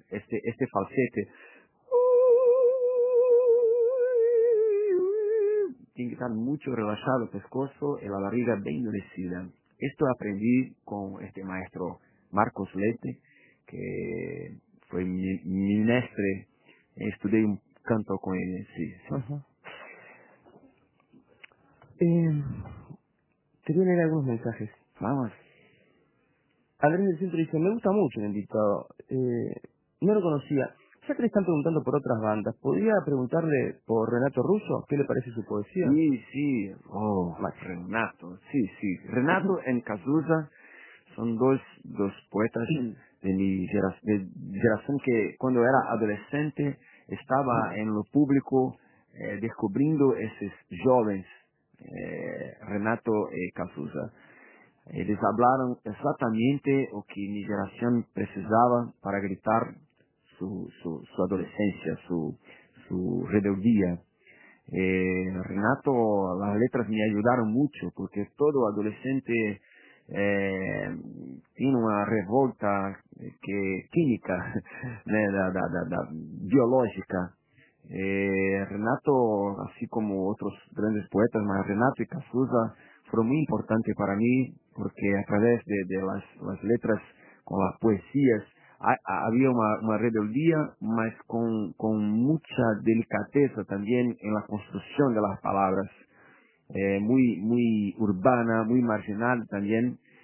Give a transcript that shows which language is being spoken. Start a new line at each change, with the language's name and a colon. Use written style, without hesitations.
Portuguese: Este falsete tem que estar muito relaxado o pescoço e a barriga bem endurecida. Isto aprendi com este maestro Marcos Lete, que foi mi mestre. Estudei um canto com ele. Sim. Uh-huh.
Spanish: Te voy a leer algunos mensajes. Vamos. Andrés del Centro dice, me gusta mucho el invitado. No lo conocía. Ya que le están preguntando por otras bandas, ¿podría preguntarle por Renato Russo? ¿Qué le parece su poesía? Sí, sí. Oh, Renato. Sí, sí. Renato en Cazuza son dos poetas de mi generación que cuando era adolescente estaba en lo público descubriendo esos jóvenes.
Portuguese: Renato e Cazuza, eles falaram exatamente o que minha geração precisava para gritar sua adolescência, sua rebeldia.
Spanish: Renato, las letras me ayudaron mucho, porque todo adolescente tiene una revolta que química,
Portuguese: né, da biológica.
Spanish: Renato, así como otros grandes poetas, más Renato y Cazuza, fueron muy importantes para mí, porque a través de las letras, con las poesías, había una rebeldía, mas con mucha delicadeza también en la construcción de las palabras, muy urbana, muy marginal también,